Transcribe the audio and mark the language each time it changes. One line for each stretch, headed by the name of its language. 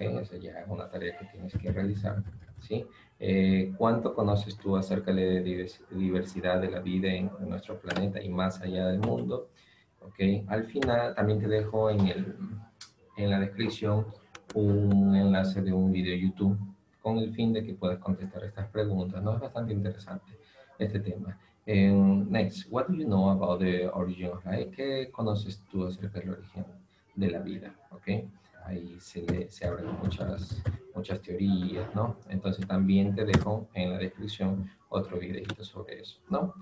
Spanish: Esa ya es una tarea que tienes que realizar, ¿sí? ¿Cuánto conoces tú acerca de la diversidad de la vida en nuestro planeta y más allá del mundo? ¿Ok? Al final, también te dejo en la descripción un enlace de un video YouTube con el fin de que puedas contestar estas preguntas, ¿no? Es bastante interesante este tema.
English: Next, what do you know about the origin of life?
Spanish: ¿Qué conoces tú acerca del origen de la vida? Okay. Ahí se abren muchas teorías, ¿no? Entonces también te dejo en la descripción otro videito sobre eso, ¿no?